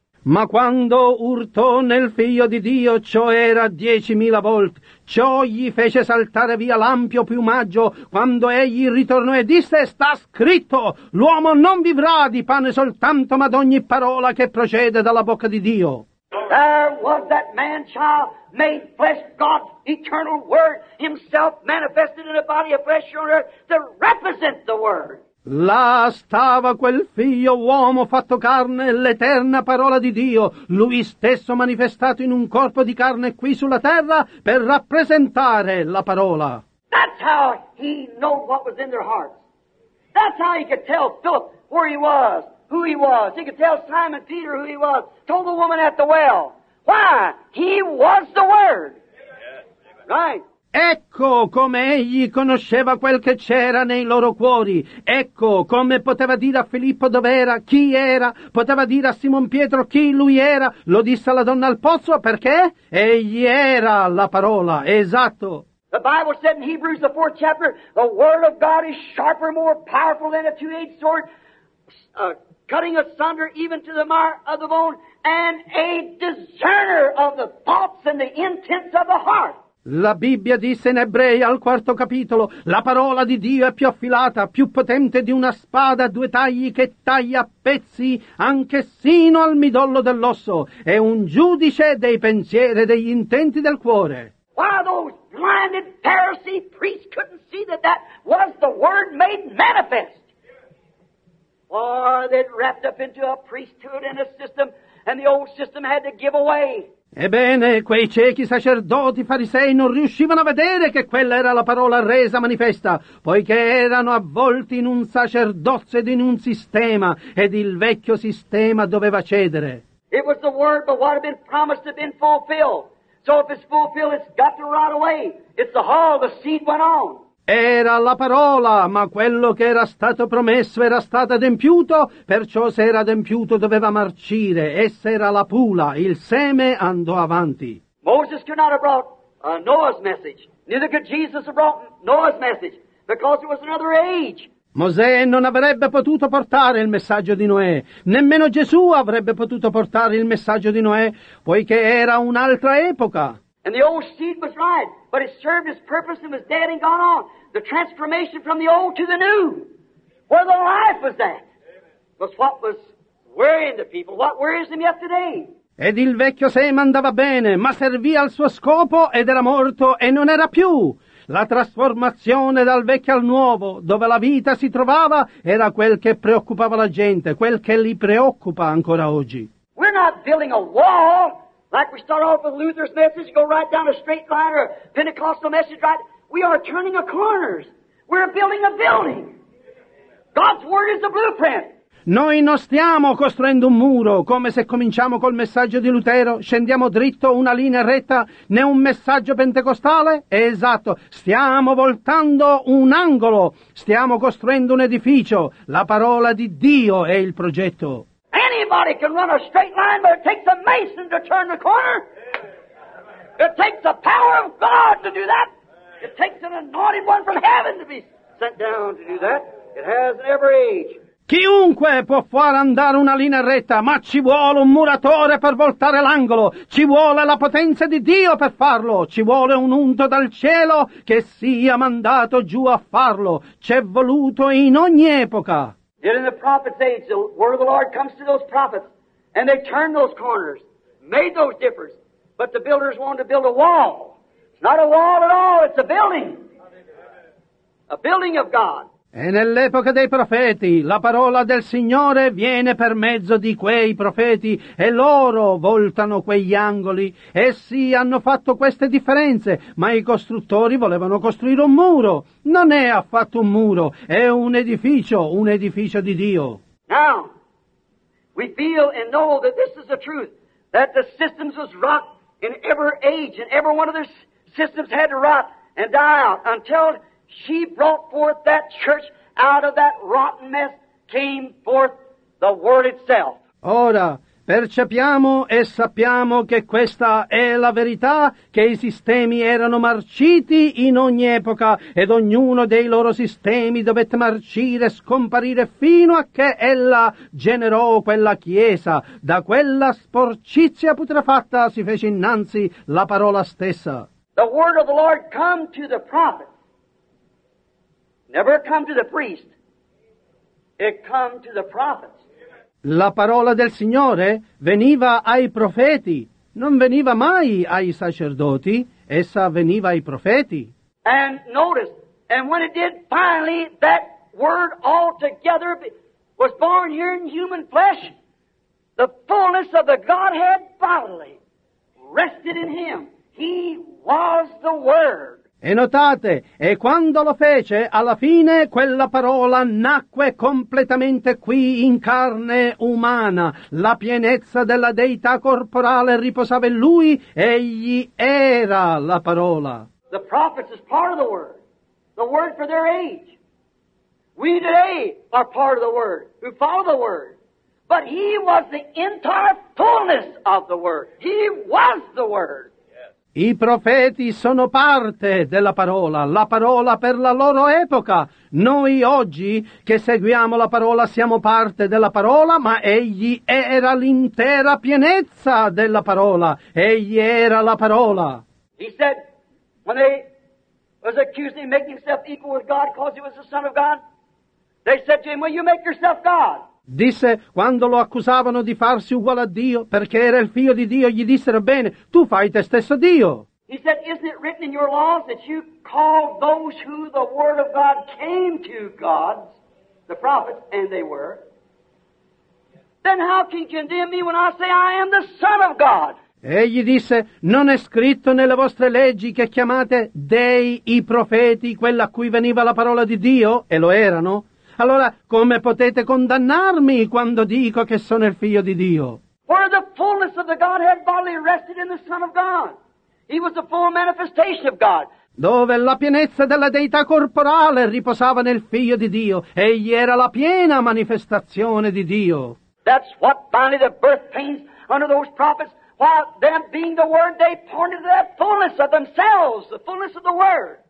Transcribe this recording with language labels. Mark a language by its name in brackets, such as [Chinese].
[Italian] Ma quando urtò nel figlio di Dio, ciò era 10,000 volt, ciò gli fece saltare via l'ampio piumaggio, quando egli ritornò e disse, sta scritto, l'uomo non vivrà di pane soltanto, ma d'ogni parola che procede dalla bocca di Dio. [English] There was that man child made flesh, God's eternal word, himself manifested in a body of flesh on earth to represent the word. [Italian] Là stava quel figlio uomo fatto carne, l'eterna parola di Dio, lui stesso manifestato in un corpo di carne qui sulla terra per rappresentare la parola. [English] That's how he knew what was in their hearts. That's how he could tell Philip where he was, who he was. He could tell Simon Peter who he was. Told the woman at the well. Why? He was the Word. Right? [Italian] Ecco come egli conosceva quel che c'era nei loro cuori. Ecco come poteva dire a Filippo dov'era, chi era. Poteva dire a Simon Pietro chi lui era. Lo disse alla donna al pozzo perché egli era la parola. Esatto. [English] The Bible said in Hebrews the 4th chapter, the word of God is sharper, more powerful than a two-edged sword, cutting asunder even to the marrow of the bone, and a discerner of the thoughts and the intents of the heart. [Italian] La Bibbia disse in Ebrei al 4° capitolo, la parola di Dio è più affilata, più potente di una spada a due tagli che taglia a pezzi anche sino al midollo dell'osso. È un giudice dei pensieri e degli intenti del cuore. [English] Why those blinded Pharisee priests couldn't see that was the word made manifest. Or they'd wrapped up into a priesthood and a system, and the old system had to give away. [Italian] Ebbene, quei ciechi sacerdoti farisei non riuscivano a vedere che quella era la parola resa manifesta, poiché erano avvolti in un sacerdozio ed in un sistema, ed il vecchio sistema doveva cedere. [English] It was the word, but what had been promised had been fulfilled. So if it's fulfilled, it's got to rot away. It's the hull, the seed went on. [Italian] Era la parola, ma quello che era stato promesso era stato adempiuto, perciò se era adempiuto doveva marcire, essa era la pula, il seme andò avanti. [English] Moses could not have brought Noah's message, neither could Jesus have brought Noah's message, because it was another age. [Italian] Mosè non avrebbe potuto portare il messaggio di Noè, nemmeno Gesù avrebbe potuto portare il messaggio di Noè, poiché era un'altra epoca. [English] And the old seed was right, but it served its purpose and was dead and gone on. The transformation from the old to the new, where the life was that, was what was worrying the people, what worries them yet today. [Italian] Ed il vecchio seme andava bene, ma servì al suo scopo ed era morto e non era più. La trasformazione dal vecchio al nuovo, dove la vita si trovava, era quel che preoccupava la gente, quel che li preoccupa ancora oggi. [English] We're not building a wall. Like we start off with Luther's message, go right down a straight line, or a Pentecostal message, right? We are turning a corners. We're building a building. God's Word is the blueprint. [Italian] Noi non stiamo costruendo un muro, come se cominciamo col messaggio di Lutero, scendiamo dritto, una linea retta, né un messaggio pentecostale? Esatto, stiamo voltando un angolo, stiamo costruendo un edificio. La parola di Dio è il progetto. [English] Anybody can run a straight line, but it takes a mason to turn the corner. It takes the power of God to do that. It takes an anointed one from heaven to be sent down to do that. It has every age. [Italian] Chiunque può far andare una linea retta, ma ci vuole un muratore per voltare l'angolo. Ci vuole la potenza di Dio per farlo. Ci vuole un unto dal cielo che sia mandato giù a farlo. C'è voluto in ogni epoca. [English] Yet in the prophets' age, the word of the Lord comes to those prophets, and they turned those corners, made those differences. But the builders wanted to build a wall. It's not a wall at all, it's a building. A building of God. [Italian] E nell'epoca dei profeti, la parola del Signore viene per mezzo di quei profeti, e loro voltano quegli angoli. Essi hanno fatto queste differenze, ma i costruttori volevano costruire un muro. Non è affatto un muro, è un edificio di Dio. [English] Now, we feel and know that this is the truth, that the systems was rocked in every age, and every one of their systems had to rot and die out until she brought forth that church out of that rotten mess, came forth the word itself. [Italian] Ora, percepiamo e sappiamo che questa è la verità, che i sistemi erano marciti in ogni epoca ed ognuno dei loro sistemi dovette marcire e scomparire fino a che ella generò quella chiesa. Da quella sporcizia putrefatta si fece innanzi la parola stessa. [English] The word of the Lord come to the prophet. Never come to the priest. It come to the prophets. [Italian] La parola del Signore veniva ai profeti. Non veniva mai ai sacerdoti. Essa veniva ai profeti. [English] And notice, and when it did, finally, that word altogether was born here in human flesh. The fullness of the Godhead bodily rested in him. He was the Word. [Italian] E notate, e quando lo fece, alla fine quella parola nacque completamente qui in carne umana. La pienezza della deità corporale riposava in lui, egli era la parola. [English] The prophets is part of the word for their age. We today are part of the word, who follow the word. But he was the entire fullness of the word. He was the word. [Italian] I profeti sono parte della parola, la parola per la loro epoca. Noi oggi che seguiamo la parola siamo parte della parola, ma egli era l'intera pienezza della parola. Egli era la parola. [English] He said, when they was accused of making himself equal with God because he was the Son of God, they said to him, well, you make yourself God. [Italian] Disse, quando lo accusavano di farsi uguale a Dio, perché era il figlio di Dio, gli dissero, bene, tu fai te stesso Dio. [English] He said, isn't it written in your laws that you call those who the word of God came to gods, the prophets, and they were? Then how can you condemn me when I say I am the Son of God? [Italian] Egli disse, non è scritto nelle vostre leggi che chiamate dei i profeti, quella a cui veniva la parola di Dio, e lo erano? Allora, come potete condannarmi quando dico che sono il figlio di Dio? [English] Where the fullness of the Godhead bodily rested in the Son of God. He was the full manifestation of God. [Italian] Dove la pienezza della deità corporale riposava nel figlio di Dio. Egli era la piena manifestazione di Dio. [English] That's what finally the birth pains under those prophets. While them being the word, they pointed to that fullness of themselves, the fullness of the word.